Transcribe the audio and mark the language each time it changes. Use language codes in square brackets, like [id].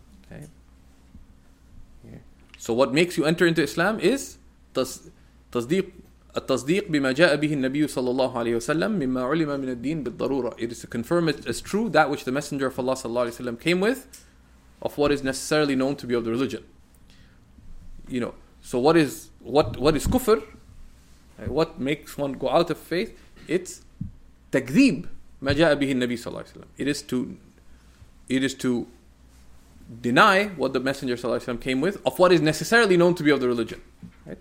[en] Okay. So what makes you enter into Islam is tasdiq. [ar] التصديق بما جاء به النبي صلى الله عليه وسلم مما علم من الدين بالضرورة. [en] It is to confirm it as true that which the Messenger of Allah [ar] صلى الله عليه وسلم [en] came with, of what is necessarily known to be of the religion. You know, so what is kufr? What makes one go out of faith? It's [ar] تكذيب ما جاء به النبي صلى الله عليه وسلم. [en] It is to deny what the Messenger [ar] صلى الله عليه وسلم [en] came with, of what is necessarily known to be of the religion. Right?